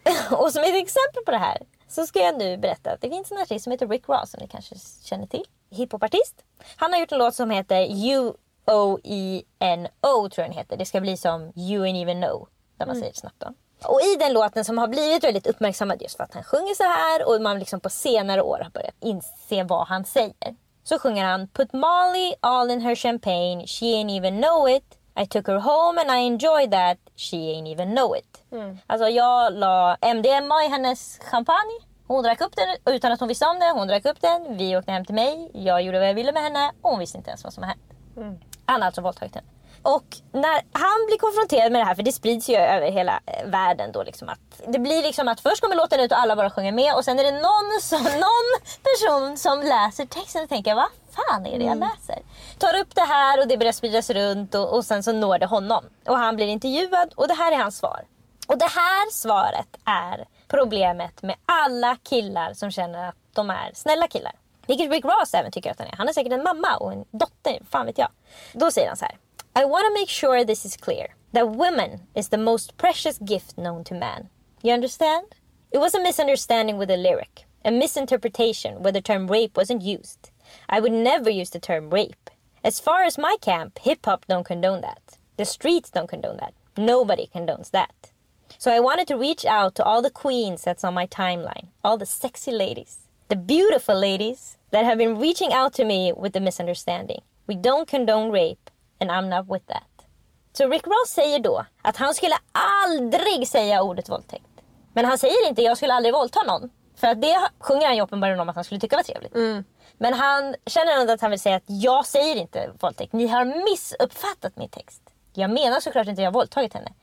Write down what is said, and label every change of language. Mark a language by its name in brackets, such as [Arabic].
[Swedish] Och som ett exempel på det här. Så ska jag nu berätta att det finns en artist som heter Rick Ross som ni kanske känner till. Hiphopartist. Han har gjort en låt som heter U-O-E-N-O tror jag den heter. Det ska bli som You Ain't Even Know, där man säger snabbt då. Och i den låten som har blivit väldigt uppmärksammad just för att han sjunger så här och man liksom på senare år har börjat inse vad han säger. Så sjunger han [English] Put Molly all in her champagne, she ain't even know it. I took her home and I enjoyed that, she ain't even know it. Mm. [Swedish] Alltså jag la MDMA i hennes champagne. Hon drack upp den utan att hon visste om det. Hon drack upp den, vi åkte hem till mig. Jag gjorde vad jag ville med henne och hon visste inte ens vad som har hänt. Mm. Han har alltså våldtagit henne. Och när han blir konfronterad med det här, för det sprids ju över hela världen då liksom, att det blir liksom att först kommer låten ut och alla bara sjunger med. Och sen är det någon person som läser texten och tänker, va? Fan är det jag läser? Tar upp det här och det börjar spridas runt och sen så når det honom. Och han blir intervjuad och det här är hans svar. Och det här svaret är problemet med alla killar som känner att de är snälla killar. Vilket Rick Ross även tycker att han är. Han är säkert en mamma och en dotter, fan vet jag. Då säger han så här. [English] I want to make sure this is clear. That woman is the most precious gift known to man. You understand? It was a misunderstanding with the lyric. A misinterpretation where the term rape wasn't used. I would never use the term rape. As far as my camp, hip-hop don't condone that. The streets don't condone that. Nobody condones that. So I wanted to reach out to all the queens that's on my timeline. All the sexy ladies. The beautiful ladies that have been reaching out to me with the misunderstanding. We don't condone rape, and I'm not with that. [Swedish] Så Rick Ross säger då att han skulle aldrig säga ordet våldtäkt. Men han säger inte, jag skulle aldrig våldta någon. För att det sjunger han ju uppenbarligen om att han skulle tycka var trevligt. Mm. Men han känner ändå att han vill säga att jag säger inte våldtäkt. Ni har missuppfattat min text. Jag menar såklart inte att jag har våldtagit henne.